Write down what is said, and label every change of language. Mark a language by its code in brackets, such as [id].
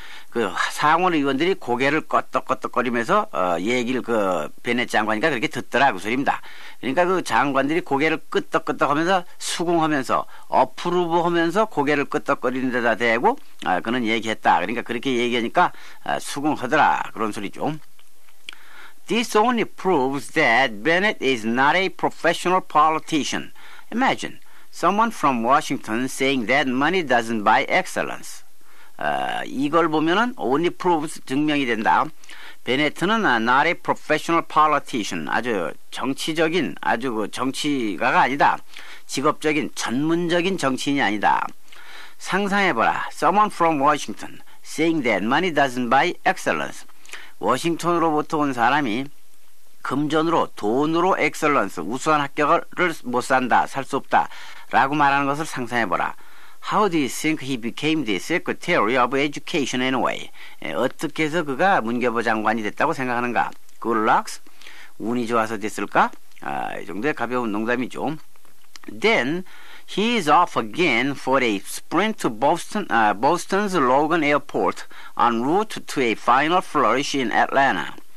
[ko] 그 상원 의원들이 고개를 껐덕껐덕거리면서 얘기를 그 베넷 장관이가 그렇게 듣더라 그 소리입니다. 그러니까 그 장관들이 고개를 끄덕끄덕하면서 수긍하면서 어프루브하면서 고개를 끄덕거리는 데다 대고 그는 얘기했다. 그러니까 그렇게 얘기하니까 수긍하더라 그런 소리죠. [en] This only proves that Bennett is not a professional politician. Imagine someone from Washington saying that money doesn't buy excellence. [ko] 이걸 보면은 [en] only proves [ko] 증명이 된다. 베네트는 [en] not a professional politician. [ko] 아주 정치적인 아주 그 정치가가 아니다. 직업적인 전문적인 정치인이 아니다. 상상해보라. [en] Someone from Washington saying that money doesn't buy excellence. [ko] 워싱턴으로부터 온 사람이 금전으로 돈으로 excellence 우수한 합격을 못 산다 살 수 없다 라고 말하는 것을 상상해보라. [en] How do you think he became the Secretary of Education anyway? [ko] 어떻게 해서 그가 문교부 장관이 됐다고 생각하는가? [en] Good luck? [ko] 운이 좋아서 됐을까? 이 정도의 가벼운 농담이죠. [en] Then he is off again for a sprint to Boston's Logan Airport en route to a final flourish in Atlanta.